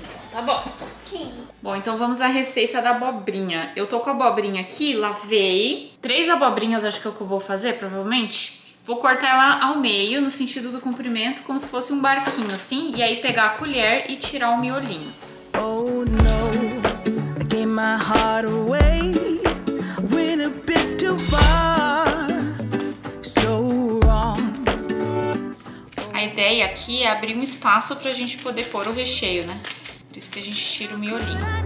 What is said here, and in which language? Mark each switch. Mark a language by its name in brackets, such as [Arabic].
[Portuguese] Tá bom. Bom, então vamos à receita da abobrinha. Eu tô com a abobrinha aqui, lavei. 3 abobrinhas acho que é o que eu vou fazer, provavelmente. Vou cortar ela ao meio, no sentido do comprimento, como se fosse um barquinho, assim. E aí pegar a colher e tirar o miolinho. [English] Oh, no, I gave my heart away, went a bit too far, so wrong. [Portuguese] A ideia aqui é abrir um espaço pra gente poder pôr o recheio, né? Por isso que a gente tira o miolinho.